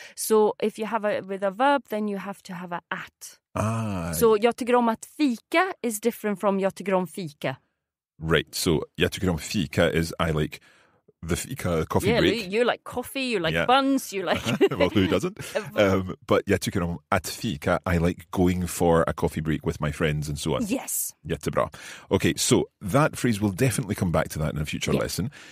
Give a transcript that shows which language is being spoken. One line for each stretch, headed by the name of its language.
English: So if you have with a verb, then you have to have a at. Ah.
Swedish: So jag tycker om att fika
English: is different from
Swedish: jag tycker om fika.
English: Right. So
Swedish: jag tycker om fika
English: is I like the fika coffee break. Yeah, you like coffee, you like buns, you like... Well, who doesn't? But
Swedish: jag tycker om att fika,
English: I like going for a coffee break with my friends and so on. Yes.
Swedish: Jättebra.
English: Okay, so that phrase, we'll definitely come back to that in a future lesson.